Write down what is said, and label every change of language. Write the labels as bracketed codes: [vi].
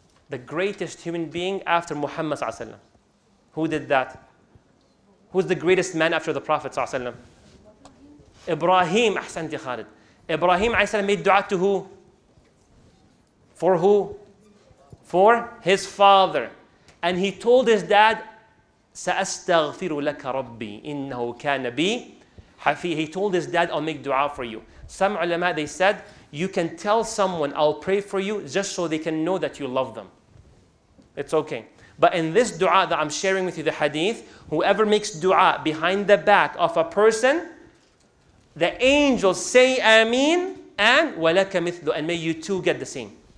[en] The greatest human being after Muhammad sallallahu alaihi wasallam. Who did that? Who's the greatest man after the Prophet sallallahu alaihi wasallam? Ibrahim, ahsanti Khalid. Ibrahim alaihi salam made dua to who? For who? For his father. And he told his dad, [ar] سَأَسْتَغْفِرُ لَكَ رَبِّي إِنَّهُ كَانَ بِي حَفِيهِ. [en] He told his dad, I'll make dua for you. Some ulama, they said, you can tell someone, I'll pray for you, just so they can know that you love them. It's okay. But in this dua that I'm sharing with you, the hadith, whoever makes dua behind the back of a person, the angels say, Ameen, and [ar] وَلَكَ مِثْلُ, [en] and may you too get the same.